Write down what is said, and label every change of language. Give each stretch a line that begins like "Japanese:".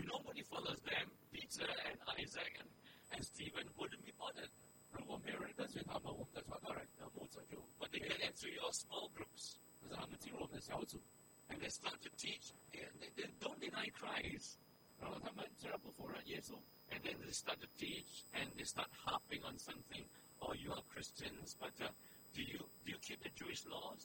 English: If nobody follows them, Peter and Isaac and Stephen wouldn't be bothered.
Chinese: 如果没有人跟随他们，我们的传道人的牧者就，
English: but they get into your small groups.
Chinese: 可是他们进入我们的小组。
English: And they start to teach, and they don't deny Christ.
Chinese: 然后他们虽然不否认耶稣,
English: and then they start to teach, and they start harping on something. Oh, you are Christians, but do you keep the Jewish laws?